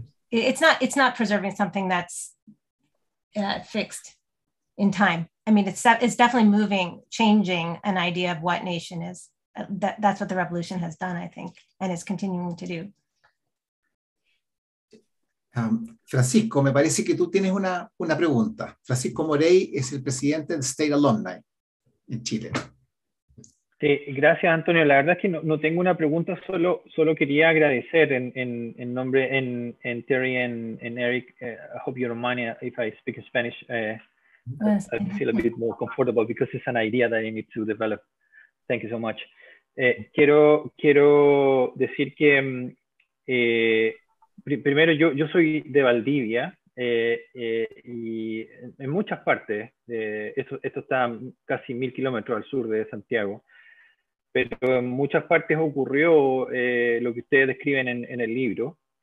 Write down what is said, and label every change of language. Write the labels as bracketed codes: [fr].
[en] It's not preserving something that's fixed in time. I mean, it's definitely moving, changing an idea of what nation is. That's what the revolution has done, I think, and is continuing to do. [es] Francisco, me parece que tú tienes una pregunta. Francisco Morey es el presidente de State Alumni en Chile. Sí, gracias, Antonio. La verdad es que no tengo una pregunta, solo quería agradecer en nombre en Terry and Eric. [en] I hope you don't mind if I speak Spanish. I feel a bit more comfortable because it's an idea that I need to develop. Thank you so much. [es] Quiero decir que primero, yo soy de Valdivia y en muchas partes, esto está casi 1,000 kilómetros al sur de Santiago, pero en muchas partes ocurrió lo que ustedes describen en el libro.